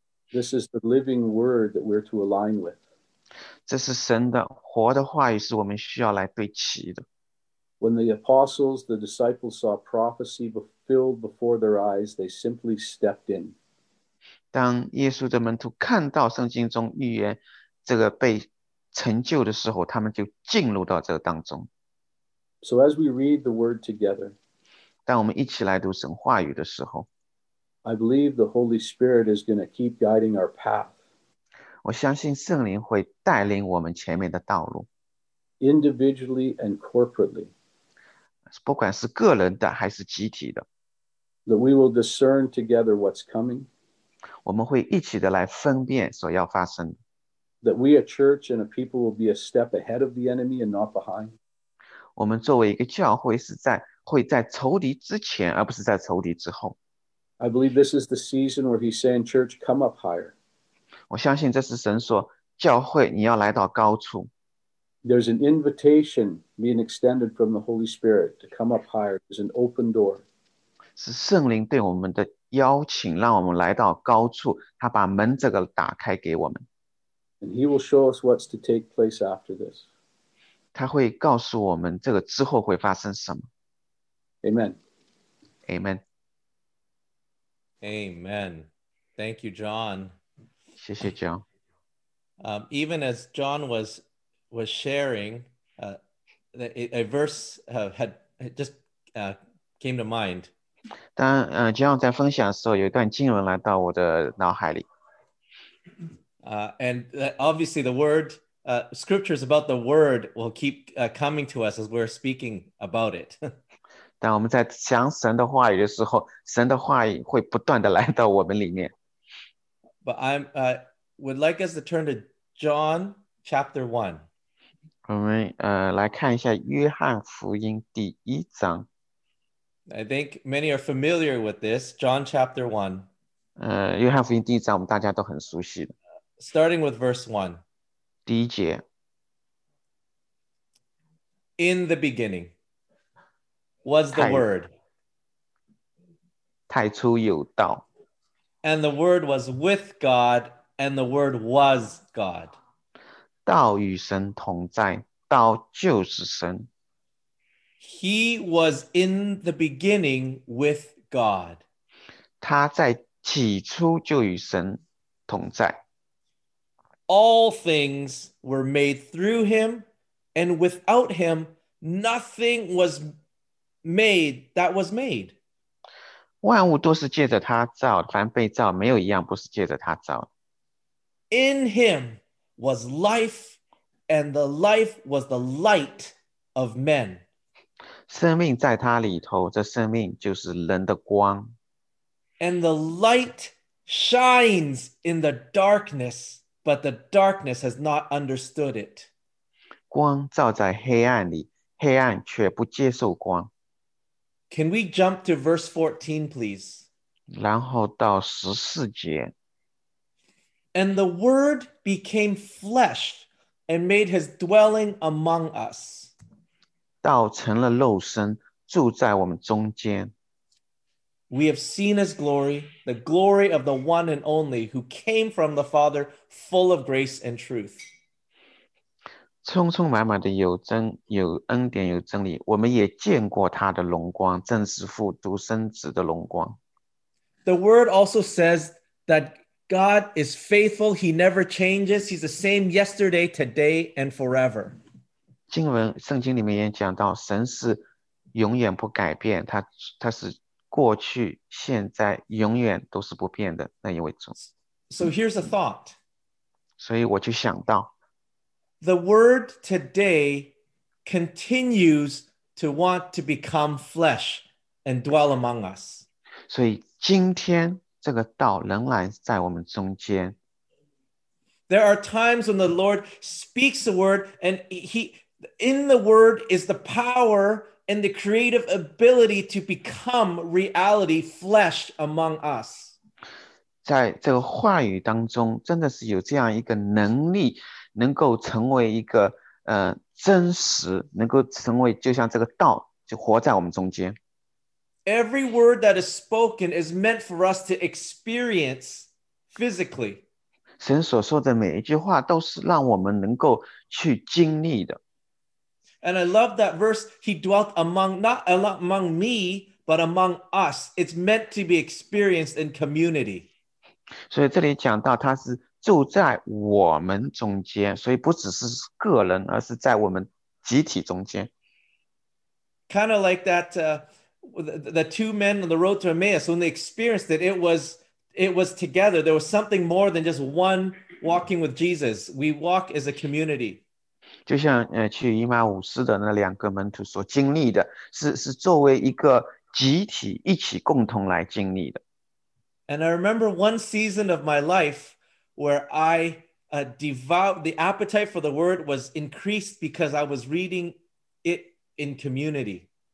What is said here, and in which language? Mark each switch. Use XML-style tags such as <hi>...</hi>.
<en>This is the living word that we're to align with.</en> <zh>这是神的活的话语，是我们需要来对齐的。</zh> <en>When the apostles, the disciples, saw prophecy fulfilled before their eyes, they simply stepped in.</en> <zh>当耶稣的门徒看到圣经中预言这个被成就的时候，他们就进入到这个当中。</zh> <en>So as we read the word together,</en> <zh>当我们一起来读神话语的时候，</zh> <en>I believe the Holy Spirit is going to keep guiding our path.</en> <zh>我相信圣灵会带领我们前面的道路，</zh> <en>Individually and corporately,</en> <zh>不管是个人的还是集体的，</zh> <en>that we will discern together what's coming,</en> <zh>我们会一起的来分辨所要发生的。</zh> <en>that we, a church and a people, will be a step ahead of the enemy and not behind.</en> <zh>我们作为一个教会，会在仇敌之前，而不是在仇敌之后。</zh> <en>I believe this is the season where he's saying, Church, come up higher.</en> <zh>我相信这是神说："教会，你要来到高处。</zh> <en>There's an invitation being extended from the Holy Spirit to come up higher. There's an open door.</en> <zh>是圣灵对我们的邀请，让我们来到高处，他把门这个打开给我们。</zh> <en>And he will show us what's to take place after this.</en> <zh>他会告诉我们这个之后会发生什么。</zh> <en>Amen.</en> <zh>Amen。</zh> <en>Amen. Thank you, John.</en> <zh>谢谢 John。</zh> <en>Even as John was sharing, a verse had just came to mind.</en> <zh>当John 在分享的时候，有一段经文来到我的脑海里。</zh> <en>And obviously, the word, scriptures about the word will keep coming to us as we're speaking about it.</en> <zh>当我们在讲神的话语的时候，神的话语会不断的来到我们里面。</zh> <en>But would like us to turn to John chapter 1.</en> <zh>我们来看一下《约翰福音》第一章。</zh> <en>I think many are familiar with this, John chapter 1.</en> <zh>约翰福音第一章，我们大家都很熟悉的。</zh> <en>Starting with verse 1.</en> <zh>第一节。</zh> <en>In the beginning was the Word.</en> <zh>太初有道。</zh> <en>And the Word was with God, and the Word was God.</en> <zh>道与神同在，道就是神。</zh> <en>He was in the beginning with God.</en> <zh>他在起初就与神同在。</zh> <en>All things were made through him, and without him, nothing was made that was made.</en> <zh>万物都是借着他造，凡被造，没有一样不是借着他造。</zh> <en>In him was life, and the life was the light of men.</en> <zh>生命在他里头，这生命就是人的光。</zh> <en>And the light shines in the darkness, but the darkness has not understood it.</en> <zh>光照在黑暗里，黑暗却不接受光。</zh> <en>Can we jump to verse 14, please?</en> <zh>然后到14节，</zh> <en>And the Word became flesh and made his dwelling among us.</en> <zh>道成了肉身，住在我们中间。</zh> <en>We have seen his glory, the glory of the one and only who came from the Father, full of grace and truth.</en> <zh>充充满满的有真有恩典有真理，我们也见过他的荣光，正是父独生子的荣光。</zh> <en>The Word also says that God is faithful. He never changes. He's the same yesterday, today, and forever.</en> <zh>经文圣经里面也讲到，神是永远不改变，他是过去、现在、永远都是不变的那一位主。</zh> <en>So here's a thought.</en> <zh>所以我就想到。</zh> <en>The Word today continues to want to become flesh and dwell among us.</en> <zh>所以今天这个道仍然在我们中间。</zh> <en>There are times when the Lord speaks a word, and he in the word is the power and the creative ability to become reality flesh among us.</en> <zh>在这个话语当中，真的是有这样一个能力，能够成为一个真实，能够成为就像这个道，就活在我们中间。</zh> <en>Every word that is spoken is meant for us to experience physically.</en> <zh>神所说的每一句话都是让我们能够去经历的。</zh> <en>And I love that verse, he dwelt among, not among me, but among us. It's meant to be experienced in community.</en> <zh>所以这里讲到他是住在我们中间，所以不只是个人，而是在我们集体中间。</zh> <en>Kind of like that, the two men on the road to Emmaus, when they experienced it, it was together. There was something more than just one walking with Jesus. We walk as a community.</en> <zh>就像去以马忤斯的那两个门徒所经历的，是作为一个集体一起共同来经历的。</zh> <en>And I remember one season of my life where I devout the appetite for the word was increased because I was reading it in community.</en>